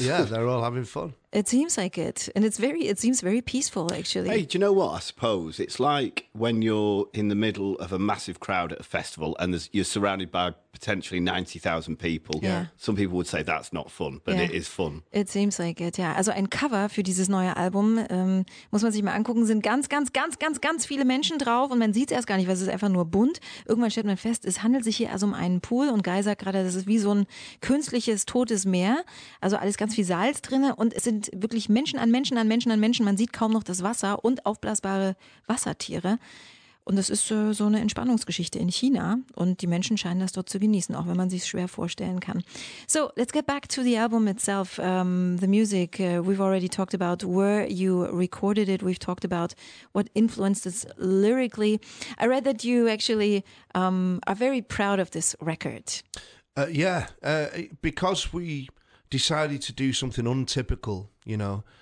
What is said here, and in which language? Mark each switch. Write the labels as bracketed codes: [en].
[en] Yeah, they're all having fun. It seems like it. And it seems very peaceful, actually. Hey, do you know what? I suppose it's like when you're in the middle of a massive crowd at a festival and you're surrounded by potentially 90,000 people. Yeah. Some people would say that's not fun, but it is fun. It seems like it, yeah. [de] Also ein Cover für dieses neue Album, muss man sich mal angucken, sind ganz, ganz, ganz, ganz, ganz viele Menschen drauf und man sieht es erst gar nicht, weil es ist einfach nur bunt. Irgendwann stellt man fest, es handelt sich hier also um einen Pool und Guy sagt gerade, das ist wie so ein künstliches, totes Meer. Also alles ganz viel Salz drin und es sind wirklich Menschen an Menschen an Menschen an Menschen. Man sieht kaum noch das Wasser und aufblasbare Wassertiere. Und es ist so eine Entspannungsgeschichte in China und die Menschen scheinen das dort zu genießen, auch wenn man sich es schwer vorstellen kann. [en] So, let's get back to the album itself, the music. We've already talked about where you recorded it. We've talked about what influenced it lyrically. I read that you actually are very proud of this record. Yeah, because we decided to do something untypical, you know.